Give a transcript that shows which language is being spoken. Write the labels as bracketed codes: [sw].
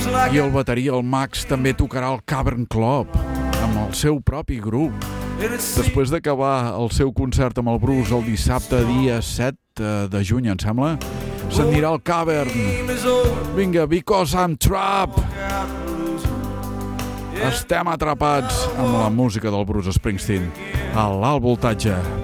[ca] I el bateria, el Max, també tocarà al Cavern Club amb el seu propi grup. Després d'acabar el seu concert amb el Bruce el dissabte, dia 7 de juny, em sembla, s'anirà al Cavern. [en] Vinga, because I'm trapped. [ca] Estem atrapats amb la música del Bruce Springsteen a l'alt voltatge.